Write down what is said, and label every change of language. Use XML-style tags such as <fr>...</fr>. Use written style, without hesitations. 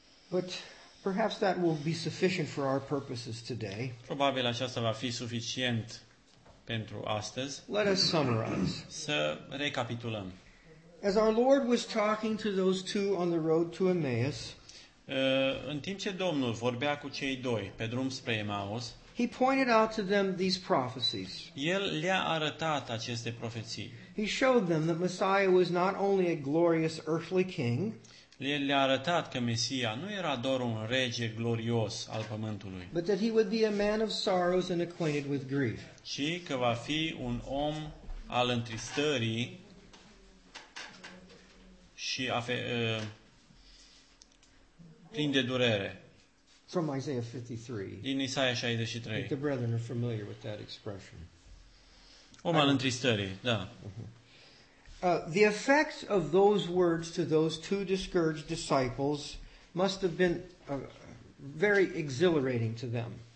<en>But perhaps that will be sufficient for our purposes today.</en> <ro>Probabil aceasta va fi suficient pentru astăzi.</ro> <en>Let us summarize.</en> <ro>Să recapitulăm.</ro> <en>As our Lord was talking to those two on the road to Emmaus,</en> <ro>în timp ce Domnul vorbea cu cei doi pe drum spre Emmaus,</ro> <en>he pointed out to them these prophecies.</en> <ro>El le-a arătat aceste profeții.</ro> <en>He showed them that Messiah was not only a glorious earthly king.</en> <ro>El le-a arătat că Mesia nu era doar un rege glorios al pământului.</ro> <en>But that he would be a man of sorrows and acquainted with grief.</en> <ro>Ci că va fi un om al întristării și plin de durere.</ro> <en>From Isaiah 53.</en> <ro>Din Isaia 63.</ro> <en>The brethren are familiar with that expression.</en> <ro>Om al întristării, da.</ro> <en>The effect of those words to those two discouraged disciples must have been very exhilarating to them.</en>